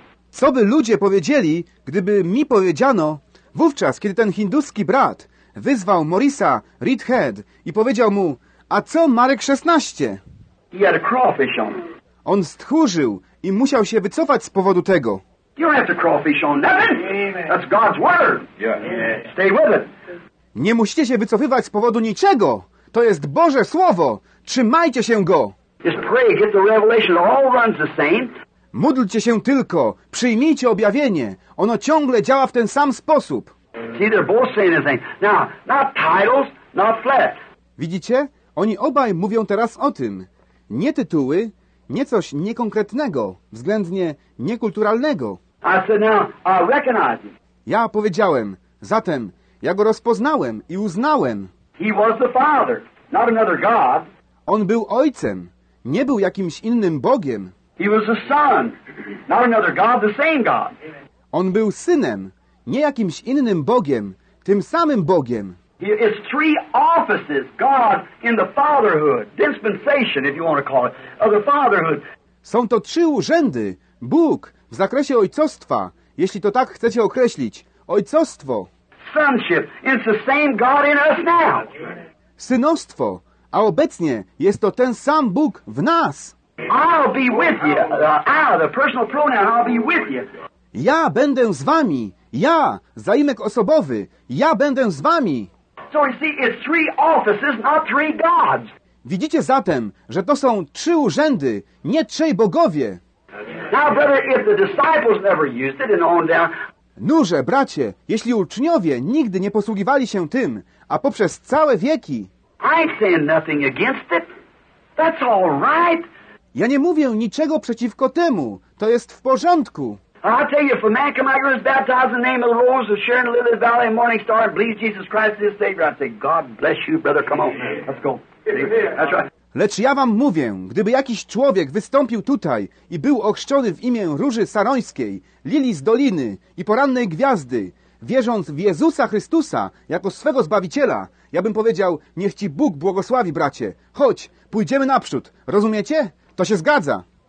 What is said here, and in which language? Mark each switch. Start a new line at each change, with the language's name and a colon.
Polish: Co by ludzie powiedzieli, gdyby mi powiedziano, wówczas, kiedy ten hinduski brat wyzwał Morisa Reedhead i powiedział mu, a co Marek 16?
English: He had a crawfish on.
Polish: On stchórzył i musiał się wycofać z powodu tego.
English: You don't have to crawfish on nothing. That's God's word. Yeah. Stay with it.
Polish: Nie musicie się wycofywać z powodu niczego. To jest Boże Słowo. Trzymajcie się Go.
English: Just pray, get the revelation. It all runs the same.
Polish: Módlcie się tylko. Przyjmijcie objawienie. Ono ciągle działa w ten sam sposób.
English: See, they're both saying the same. Now, not titles, not flesh.
Polish: Widzicie? Oni obaj mówią teraz o tym. nie tytuły, nie coś niekonkretnego, względnie niekulturalnego.
English: I said, now, I recognize him.
Polish: Ja powiedziałem, zatem ja go rozpoznałem i uznałem.
English: He was the father, not another god.
Polish: On był ojcem, nie był jakimś innym Bogiem.
English: He was the son, not another god, the same god.
Polish: On był synem, nie jakimś innym Bogiem, tym samym Bogiem.
English: It's three offices, God in the fatherhood, dispensation, if you want to call it, of the fatherhood.
Polish: Są to trzy urzędy, Bóg w zakresie ojcostwa, jeśli to tak chcecie określić, ojcostwo.
English: Sonship, it's the same God in us now.
Polish: Synostwo, a obecnie jest to ten sam Bóg w nas.
English: I'll be with you, the personal pronoun, I'll be with you.
Polish: Ja będę z wami. Ja, zaimek osobowy, ja będę z wami.
English: So you see, it's three offices, not three gods.
Polish: Widzicie zatem, że to są trzy urzędy, nie trzej bogowie.
English: Now, brother, if the disciples never used it and on down...
Polish: Noże, bracie, jeśli uczniowie nigdy nie posługiwali się tym, a poprzez całe wieki...
English: I say nothing against it. That's all right.
Polish: Ja nie mówię niczego przeciwko temu. To jest w porządku.
English: I tell you, if a man come out here and is baptized in the name of the Rose of Sharon, Lily Valley, and Morning Star, and believes Jesus Christ is his Savior, I'd say, God bless you, brother, come on, let's go. That's right.
Polish: Lecz ja wam mówię, gdyby jakiś człowiek wystąpił tutaj i był ochrzczony w imię Róży Sarońskiej, Lilii z Doliny i Porannej Gwiazdy, wierząc w Jezusa Chrystusa jako swego Zbawiciela, ja bym powiedział, niech ci Bóg błogosławi, bracie. Chodź, pójdziemy naprzód. Rozumiecie? To się zgadza.